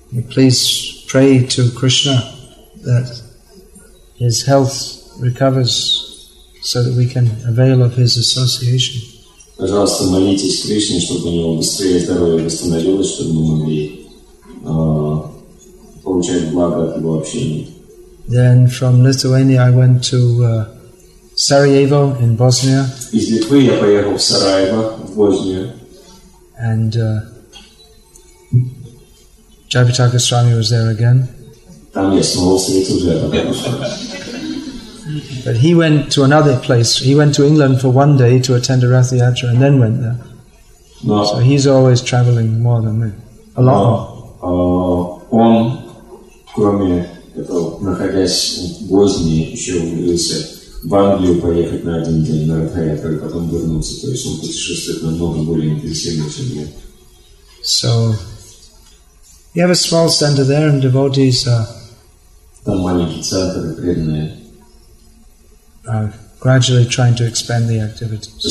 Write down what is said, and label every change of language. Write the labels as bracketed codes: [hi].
[en] Please pray to Krishna that his health recovers, so that we can avail of his association. [ru] Пожалуйста, молитесь Кришне, чтобы у него быстрее здоровье восстановилось, чтобы мы могли получать благо от его общения. [en] Then from Lithuania I went to Sarajevo in Bosnia. [ru] Из Литвы я поехал в Сараево, в Боснию. [en] And Jayapataka Swami was there again. [ru] Там я снова встретил Jayapataka Swami. [en] But he went to another place. He went to England for one day to attend a Ratha Yatra and then went there. No. So he's always traveling more than me. A lot more. [ru] Он, кроме этого, находясь в Боснии, еще умудрился в Англию поехать на один день на Ратха Ятра и потом вернуться. То есть он путешествует намного более интенсивно, чем я. [en] So, you have a small center there and devotees are... [ru] Там маленький центр и преданные... [en] Gradually trying to expand the activities.